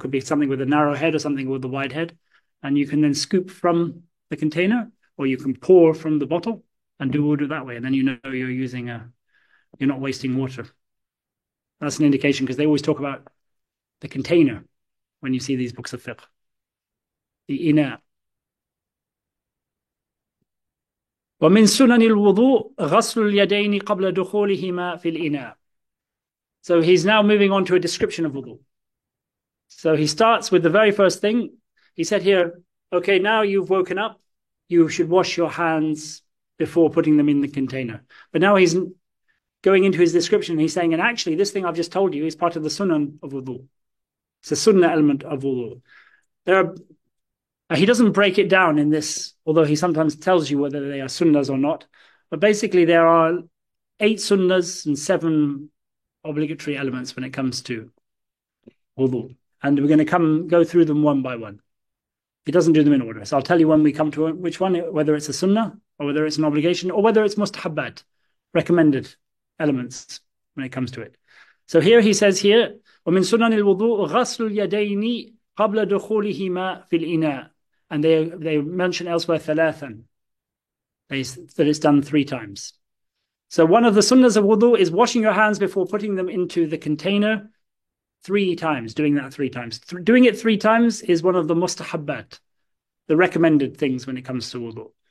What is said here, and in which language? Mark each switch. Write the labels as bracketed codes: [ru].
[en] It could be something with a narrow head or something with a wide head. And you can then scoop from the container, or you can pour from the bottle and do wudu that way. And then you know you're not wasting water. That's an indication, because they always talk about the container when you see these books of fiqh. The inner. [ar] ومن سنن الوضوء غسل اليدين قبل دخولهما في الإناء. [en] So he's now moving on to a description of wudu. So he starts with the very first thing. He said here, okay, now you've woken up, you should wash your hands before putting them in the container. But now he's going into his description. He's saying, and actually this thing I've just told you is part of the sunan of wudu. It's a sunnah element of wudu. He doesn't break it down in this, although he sometimes tells you whether they are sunnahs or not. But basically, there are eight sunnahs and seven obligatory elements when it comes to wudu. And we're going to go through them one by one. He doesn't do them in order. So I'll tell you when we come to which one, whether it's a sunnah or whether it's an obligation or whether it's mustahabbat, recommended elements when it comes to it. So here he says here, [ar] وَمِن سُنَّنِ الْوُضُوءُ غَسْلُ الْيَدَيْنِ قَبْلَ دُخُولِهِمَا فِي الْإِنَاءِ. [en] And they mention elsewhere thalathan, that it's done three times. So one of the sunnahs of wudu is washing your hands before putting them into the container three times, doing that three times. Doing it three times is one of the mustahabbat, the recommended things when it comes to wudu.